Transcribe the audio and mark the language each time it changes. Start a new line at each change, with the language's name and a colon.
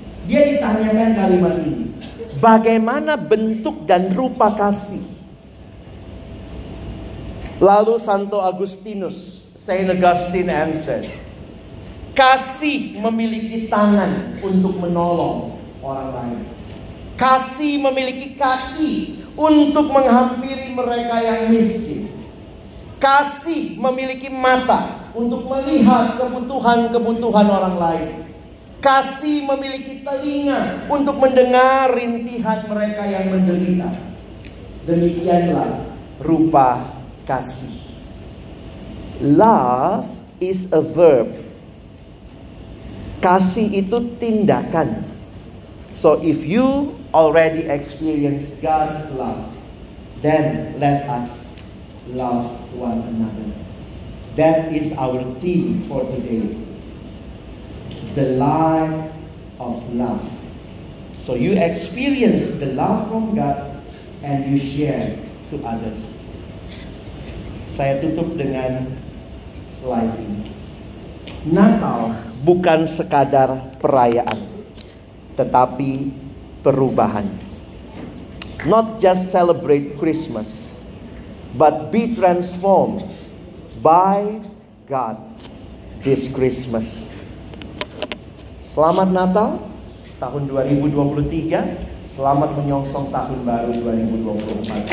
Indonesian: Dia ditanyakan kalimat ini. Bagaimana bentuk dan rupa kasih? Lalu
English: Santo Agustinus, Saint Augustine answered.
Indonesian: Kasih memiliki tangan untuk menolong orang lain. Kasih memiliki kaki untuk menghampiri mereka yang miskin. Kasih memiliki mata untuk melihat kebutuhan-kebutuhan orang lain. Kasih memiliki telinga untuk mendengar rintihan mereka yang menderita. Demikianlah rupa kasih.
English: Love is a verb.
Indonesian: Kasih itu tindakan.
English: So if you already experience God's love, then let us love one another. That is our theme for today. The light of love. So you experience the love from God and you share to others.
Indonesian: Saya tutup dengan slide ini. Natal bukan sekadar perayaan, tetapi perubahan.
English: Not just celebrate Christmas, but be transformed by God this Christmas.
Indonesian: Selamat Natal tahun 2023. Selamat menyongsong tahun baru 2024.